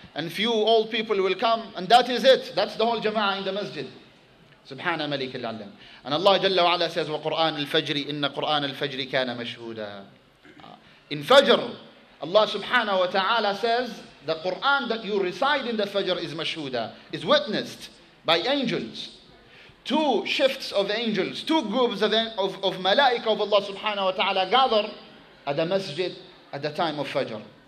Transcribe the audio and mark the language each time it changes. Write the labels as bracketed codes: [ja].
[en] And few old people will come, and that is it. That's the whole jama'ah in the masjid. Subhana Malik al-Allam. And Allah Jalla wa Ala says, [ar] وَقُرْآنَ الْفَجْرِ إِنَّ قُرْآنَ الْفَجْرِ كَانَ مَشْهُودًا. [en] In Fajr, Allah subhanahu wa ta'ala says, the Quran that you recite in the Fajr is mashhuda, is witnessed by angels. Two shifts of angels, two groups of malaika of Allah subhanahu wa ta'ala gather at the masjid at the time of Fajr.